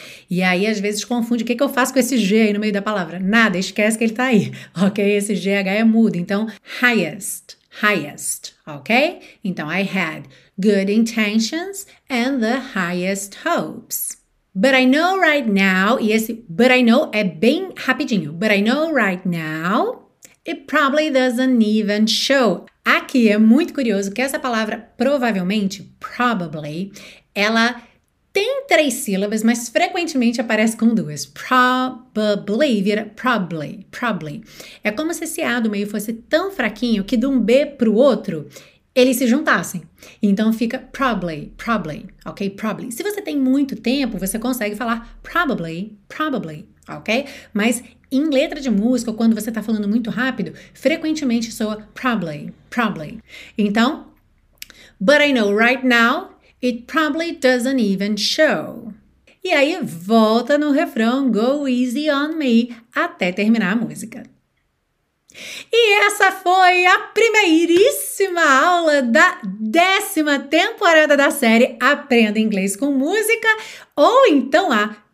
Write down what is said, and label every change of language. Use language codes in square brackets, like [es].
[pt] E aí, às vezes, confunde. O que eu faço com esse G aí no meio da palavra? Nada, esquece que ele tá aí, ok? Esse G-H é mudo, então, highest. [en] Highest, ok? Então, I had good intentions and the highest hopes. But I know right now, [pt] e esse [en] but I know [pt] é bem rapidinho. [en] But I know right now, it probably doesn't even show. [pt] Aqui é muito curioso que essa palavra provavelmente, probably, ela tem três sílabas, mas frequentemente aparece com duas. [en] Probably, vira probably, probably. [pt] É como se esse A do meio fosse tão fraquinho que de um B pro outro, eles se juntassem. Então fica probably, probably, ok? Probably. Se você tem muito tempo, você consegue falar probably, probably, ok? Mas em letra de música, quando você tá falando muito rápido, frequentemente soa probably, probably. [en] Então, but I know right now, it probably doesn't even show. [pt] E aí, volta no refrão, [en] go easy on me, [pt] até terminar a música. E essa foi a primeiríssima aula da 10ª temporada da série Aprenda Inglês com Música, ou então a